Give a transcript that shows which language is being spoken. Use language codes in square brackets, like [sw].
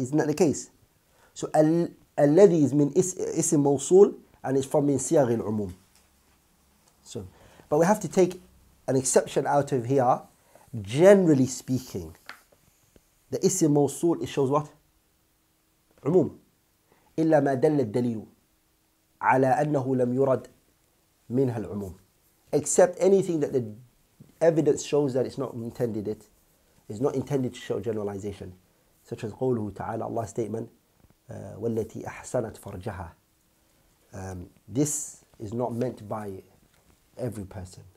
[en] Isn't that the case? So al-ladhi is min isim mawsool, and it's from min siyaqi al-umum. So, but we have to take an exception out of here. Generally speaking, the ism mawsool, it shows what? Umum. [ar] إلا ما دل الدليل على أنه لم يرد منها العموم. [en] Except anything that the evidence shows that it's not intended, it is not intended to show generalization, such as [ar] قوله تعالى, [en] Allah's statement, [ar] والتي أحسنت فرجها. [en] This is not meant by every person.